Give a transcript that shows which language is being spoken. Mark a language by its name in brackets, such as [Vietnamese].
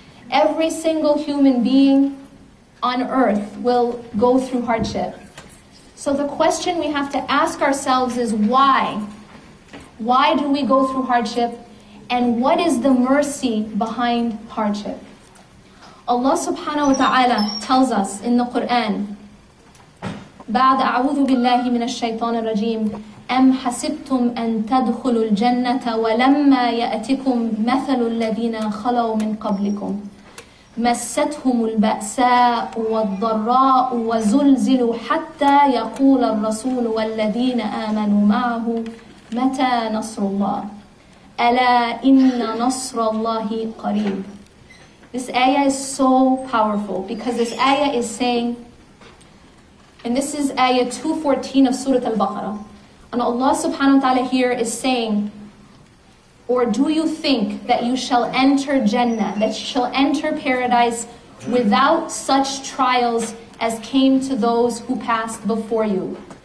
[English] Every single human being on earth will go through hardship. So the question we have to ask ourselves is why? Why do we go through hardship? And what is the mercy behind hardship? Allah subhanahu wa ta'ala tells us in the Quran, [Arabic] بعد أعوذ بالله من الشيطان الرجيم أم حسبتم أن تدخلوا الجنة ولما يأتكم مثل الذين خلوا من قبلكم مستهم البأساء والضراء وزلزلوا حتى يقول الرسول والذين آمنوا معه مَتَى نَصْرُ اللَّهِ أَلَا إِنَّ نَصْرَ اللَّهِ قَرِيبٌ. [English] This ayah is so powerful because this ayah is saying, and this is ayah 214 of Surah Al-Baqarah, and Allah subhanahu wa ta'ala here is saying, or do you think that you shall enter Jannah, that you shall enter paradise without such trials as came to those who passed before you?